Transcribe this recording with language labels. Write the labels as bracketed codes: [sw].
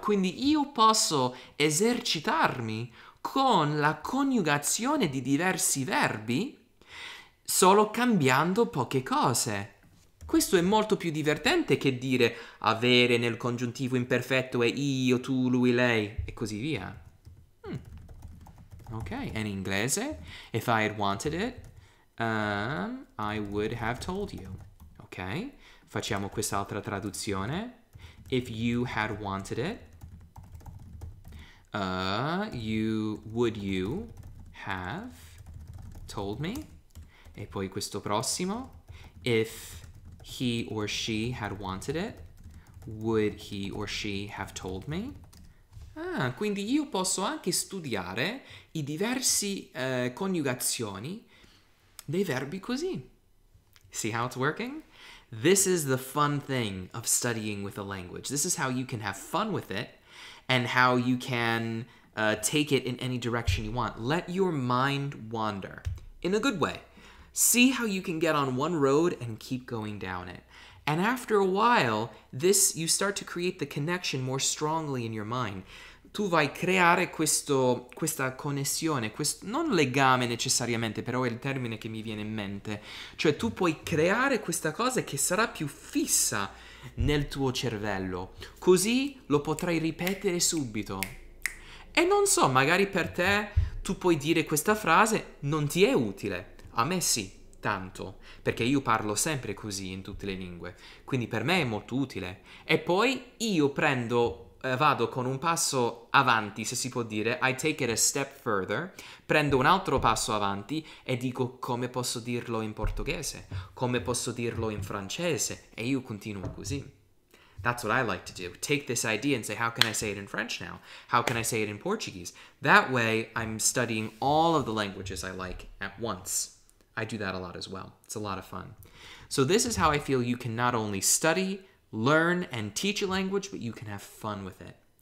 [it] Quindi io posso esercitarmi con la coniugazione di diversi verbi solo cambiando poche cose. Questo è molto più divertente che dire avere nel congiuntivo imperfetto è io, tu, lui, lei e così via. Ok, e in inglese? [en] If I had wanted it, I would have told you. [it] Ok, facciamo quest'altra traduzione. [en] If you had wanted it, would you have told me? [it] E poi questo prossimo. [en] If he or she had wanted it, would he or she have told me? [it] Ah, quindi io posso anche studiare i diversi coniugazioni dei verbi così. [en] See how it's working? This is the fun thing of studying with a language. This is how you can have fun with it and how you can take it in any direction you want. Let your mind wander in a good way. See how you can get on one road and keep going down it. And after a while, this you start to create the connection more strongly in your mind. [it] Tu vai creare questa connessione, questo non legame necessariamente, però è il termine che mi viene in mente. Cioè tu puoi creare questa cosa che sarà più fissa nel tuo cervello. Così lo potrai ripetere subito. E non so, magari per te tu puoi dire questa frase non ti è utile. A me sì, tanto, perché io parlo sempre così in tutte le lingue, quindi per me è molto utile. E poi io prendo, vado con un passo avanti, se si può dire, [en] I take it a step further, [it] prendo un altro passo avanti e dico come posso dirlo in portoghese, come posso dirlo in francese, e io continuo così. [en] That's what I like to do. Take this idea and say, how can I say it in French now? How can I say it in Portuguese? That way, I'm studying all of the languages I like at once. I do that a lot as well. It's a lot of fun. So this is how I feel you can not only study, learn, and teach a language, but you can have fun with it.